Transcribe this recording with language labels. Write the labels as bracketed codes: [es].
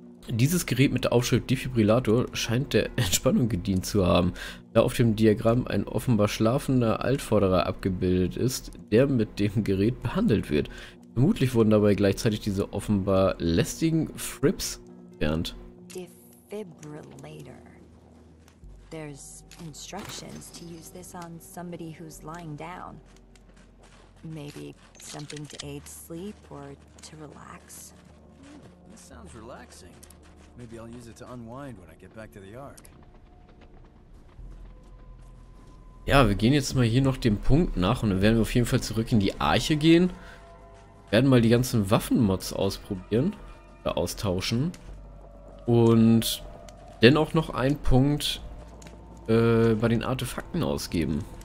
[de] Dieses Gerät mit der Aufschrift Defibrillator scheint der Entspannung gedient zu haben, da auf dem Diagramm ein offenbar schlafender Altvorderer abgebildet ist, der mit dem Gerät behandelt wird. Vermutlich wurden dabei gleichzeitig diese offenbar lästigen Frips entfernt. Defibrillator. [en] There's instructions to use this on somebody who's lying down. Maybe something to aid sleep or to relax. This sounds relaxing. Maybe I'll use it to unwind when I get back to the Ark. [de] Ja, wir gehen jetzt mal hier noch dem Punkt nach und dann werden wir auf jeden Fall zurück in die Arche gehen. Werden mal die ganzen Waffenmods ausprobieren oder austauschen. Und dann auch noch einen Punkt bei den Artefakten ausgeben.